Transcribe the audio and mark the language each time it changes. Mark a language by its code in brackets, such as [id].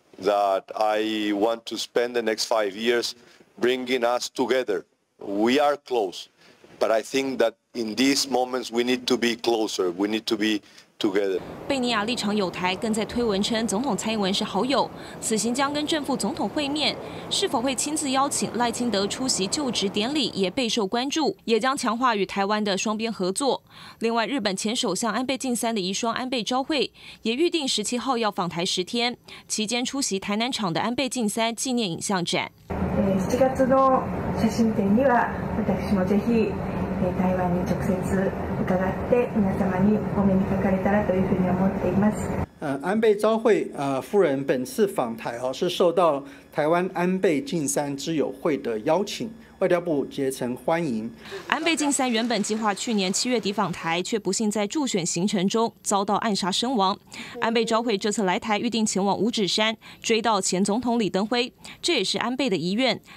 [en] That I want to spend the next 5 years bringing us together. We are close, but I think that in these moments we need to be closer. We need to be together. [zh] 贝尼亚立场友台，更在推文称总统蔡英文是好友。此行将跟正副总统会面，是否会亲自邀请赖清德出席就职典礼也备受关注，也将强化与台湾的双边合作。另外，日本前首相安倍晋三的遗孀安倍昭惠也预定十七号要访台十天，期间出席台南场的安倍晋三纪念影像展。 [ja] 7月の写真展には私もぜひ台湾に直接伺って皆様にお目にかかれたらというふうに思っています。 [zh] 安倍昭惠夫人本次访台是受到台湾安倍晋三之友会的邀请。外交部竭诚欢迎。安倍晋三原本计划去年七月底访台，却不幸在助选行程中遭到暗杀身亡。安倍昭惠这次来台预定前往五指山追悼前总统李登辉，这也是安倍的遗愿。